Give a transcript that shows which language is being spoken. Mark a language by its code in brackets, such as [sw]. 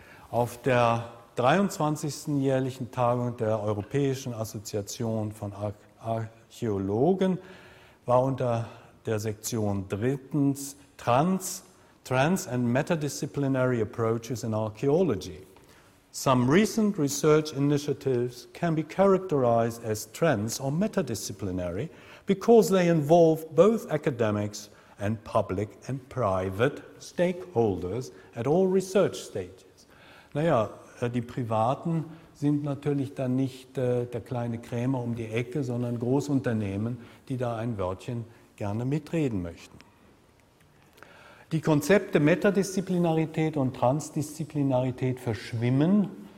[de] Auf der 23. jährlichen Tagung der Europäischen Assoziation von Archäologen war unter der Sektion drittens Trans and Metadisciplinary Approaches in Archaeology. [en] Some recent research initiatives can be characterized as trans or metadisciplinary because they involve both academics and public and private stakeholders at all research stages. [de] Naja, die Privaten sind natürlich dann nicht der kleine Krämer um die Ecke, sondern Großunternehmen, die da ein Wörtchen gerne mitreden möchten. Die Konzepte Metadisziplinarität und Transdisziplinarität verschwimmen.